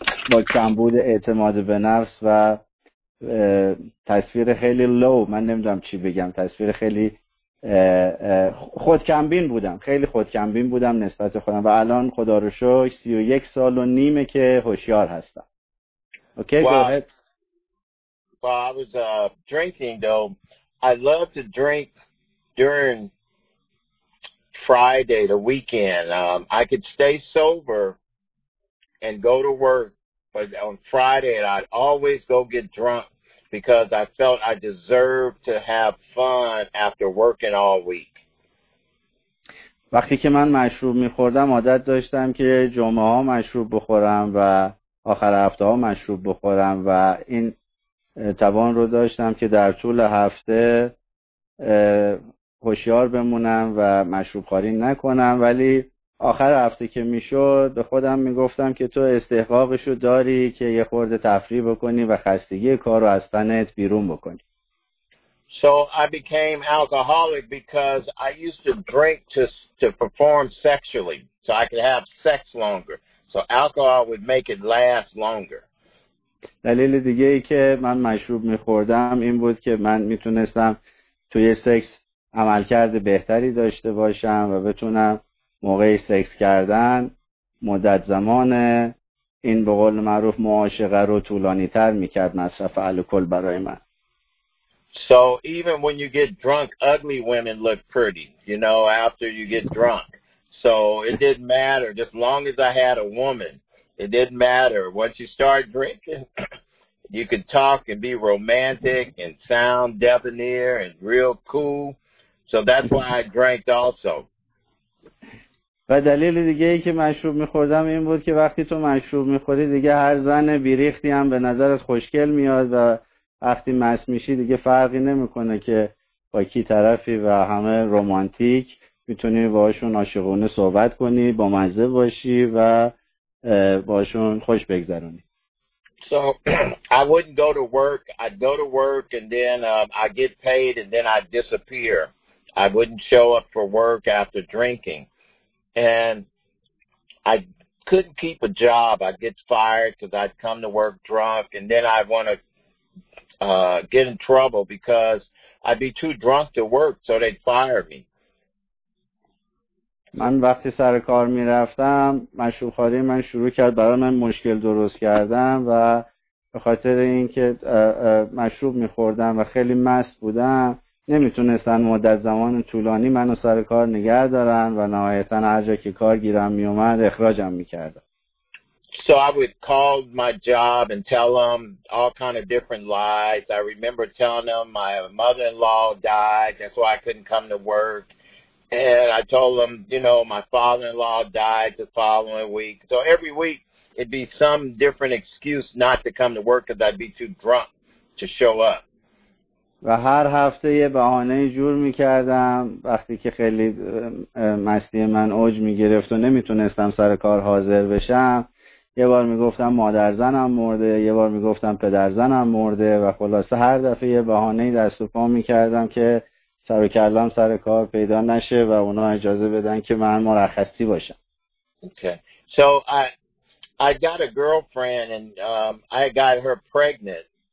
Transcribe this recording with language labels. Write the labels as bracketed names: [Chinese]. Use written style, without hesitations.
[Persian] با کمبود اعتماد به نفس و تصویر خیلی لو، من نمیدونم چی بگم، تصویر خیلی خودکمبین بودم نسبت خودم و الان خدا رو شکر 31 سال و نیمه که هوشیار هستم. [English] Okay, well, go ahead. Well, I was drinking though. I love to drink during Friday, the weekend. I could stay sober and go to work. But on Friday, I'd always go get drunk because I felt I deserved to have fun after working all week. [Persian] وقتی که من مشروب می‌خوردم، عادت داشتم که جمعه ها مشروب بخورم و آخر هفته ها مشروب بخورم و این توان رو داشتم که در طول هفته هوشیار بمونم و مشروب خوری نکنم، ولی آخر هفته که میشد به خودم میگفتم که تو استحقاقشو داری که یه خورده تفریح بکنی و خستگی کارو از تنت بیرون بکنی. [English] So I became alcoholic because I used to drink to perform sexually, so I could have sex longer. So alcohol would make it last longer. [Persian] دلیل دیگه ای که من مشروب میخوردم این بود که من میتونستم توی سکس عملکرد بهتری داشته باشم و بتونم موقع سکس کردن مدت زمان این به قول معروف معاشقه رو طولانی تر میکرد مصرف الکل برای من. [English] So even when you get drunk, ugly women look pretty, you know, after you get drunk. So it didn't matter. Just long as I had a woman, it didn't matter. Once you start drinking, you could talk and be romantic and sound debonair and real cool. So that's why I drank also. [Persian] و دلیل دیگه ای که مشروب میخوردم این بود که وقتی تو مشروب میخوری دیگه هر زن بیریختی هم به نظرت خوشگل میاد و وقتی مست میشی دیگه فرقی نمیکنه که با کی طرفی و همه رومانتیک میتونی باشون عاشقونه صحبت کنی، با مزه باشی و باشون خوش بگذرونی. [English] So I wouldn't go to work. I'd go to work and then I'd get paid and then I'd disappear. I wouldn't show up for work after drinking. And I couldn't keep a job. I'd get fired because I'd come to work drunk, and then I'd want to get in trouble because I'd be too drunk to work, so they'd fire me. [Persian] من وقتی سر کار می‌رفتم، مشروب‌خوری من شروع کرد برای من مشکل درست کردم و به خاطر اینکه مشروب می‌خوردم و خیلی مست بودم نمیتونستن مدت زمان طولانی منو سر کار نگه دارن و نهایتا هر جا که کار گیرم میومد اخراجم میکردن. [English] So I would call my job and tell them all kind of different lies. I remember telling them my mother-in-law died, that's why I couldn't come to work. And I told them, you know, my father-in-law died the following week. So every week it'd be some different excuse not to come to work because I'd be too drunk to show up. [Persian] و هر هفته یه بهانه جور میکردم وقتی که خیلی مستی من اوج میگرفت و نمیتونستم سر کار حاضر بشم. یه بار میگفتم مادر زنم مرده، یه بار میگفتم پدر زنم مرده و خلاصه هر دفعه یه بهانه دست و پا میکردم که سر و کلم سر کار پیدا نشه و اونا اجازه بدن که من مرخصی باشم. [English] Okay. So I got a girlfriend and I got her pregnant.